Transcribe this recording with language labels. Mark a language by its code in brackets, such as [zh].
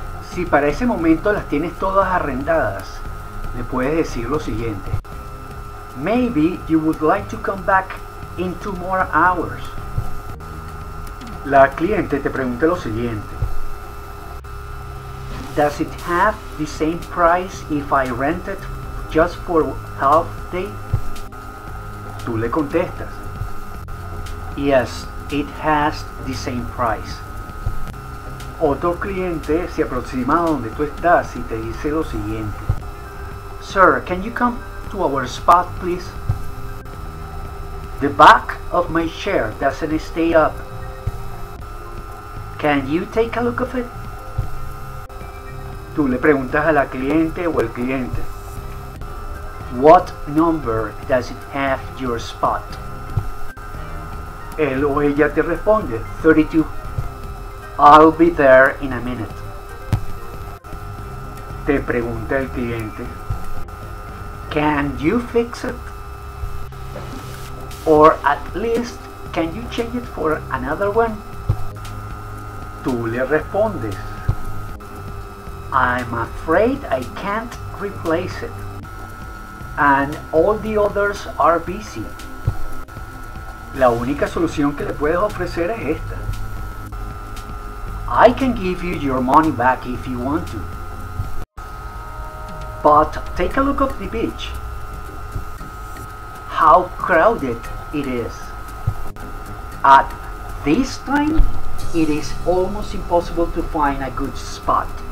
[es] Si para ese momento las tienes todas arrendadas, le puedes decir lo siguiente. [en] Maybe you would like to come back in 2 more hours. [es] La cliente te pregunta lo siguiente. [en] Does it have the same price if I rent it just for half day? [es] Tú le contestas. [en] Yes, it has the same price. [es] Otro cliente se aproxima a donde tú estás y te dice lo siguiente. [en] Sir, can you come to our spot, please? The back of my chair doesn't stay up. Can you take a look of it? [es] Tú le preguntas a la cliente o el cliente. [en] What number does it have your spot? [es] Él o ella te responde, [en] 32. I'll be there in a minute. [es] Te pregunta el cliente. [en] Can you fix it? Or at least, can you change it for another one? [es] Tú le respondes. [en] I'm afraid I can't replace it. And all the others are busy. [es] La única solución que le puedes ofrecer es esta. [en] I can give you your money back if you want to. But take a look at the beach. How crowded it is. At this time, it is almost impossible to find a good spot.